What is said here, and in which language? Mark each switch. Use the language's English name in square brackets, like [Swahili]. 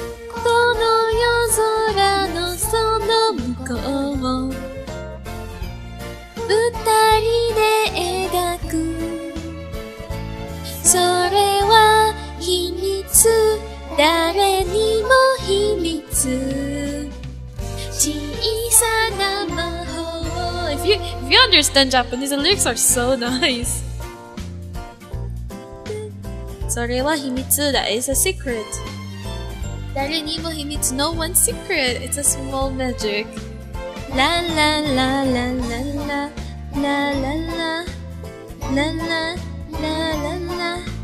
[Japanese] この夜空のその向こうを、二人で描く。それは秘密、誰にも秘密。小さな魔法。 [English] If you understand Japanese, the lyrics are so nice. [Japanese] それは秘密、 [English] that is a secret. [Japanese] 誰にも秘密、 [English] no one's secret. It's a small magic. La la la la la la la la la la la la la la.